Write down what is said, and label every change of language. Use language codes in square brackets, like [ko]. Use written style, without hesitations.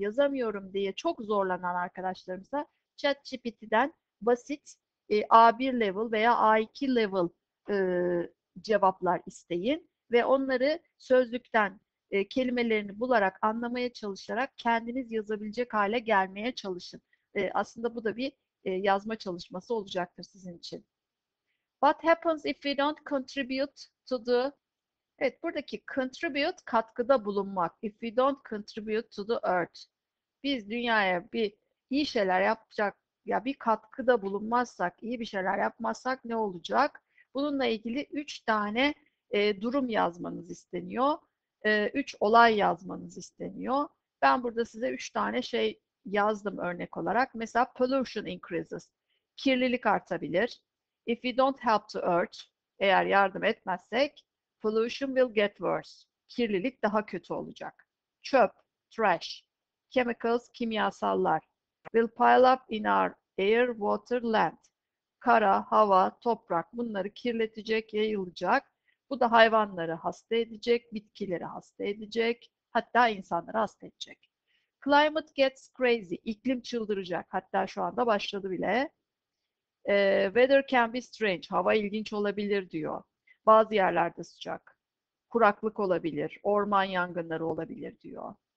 [tr] Yazamıyorum diye çok zorlanan arkadaşlarımıza ChatGPT'den basit A1 level veya A2 level cevaplar isteyin ve onları sözlükten kelimelerini bularak, anlamaya çalışarak kendiniz yazabilecek hale gelmeye çalışın. Aslında bu da bir yazma çalışması olacaktır sizin için. [en] What happens if we don't contribute to the... [tr] Evet, buradaki contribute katkıda bulunmak. [en] If we don't contribute to the earth. [tr] Biz dünyaya bir iyi şeyler yapacak ya bir katkıda bulunmazsak, iyi bir şeyler yapmazsak ne olacak? Bununla ilgili 3 tane durum yazmanız isteniyor. 3 olay yazmanız isteniyor. Ben burada size 3 tane şey yazdım örnek olarak. Mesela [en] pollution increases. [tr] Kirlilik artabilir. [en] If we don't help the earth, [tr] eğer yardım etmezsek, [en] pollution will get worse. [tr] Kirlilik daha kötü olacak. Çöp, trash. [en] Chemicals, [tr] kimyasallar. [en] Will pile up in our air, water, land. [tr] Kara, hava, toprak. Bunları kirletecek, yayılacak. Bu da hayvanları hasta edecek, bitkileri hasta edecek, hatta insanları hasta edecek. [en] Climate gets crazy, [tr] iklim çıldıracak. Hatta şu anda başladı bile. [en] Weather can be strange, [tr] hava ilginç olabilir diyor. Bazı yerlerde sıcak, kuraklık olabilir, orman yangınları olabilir diyor.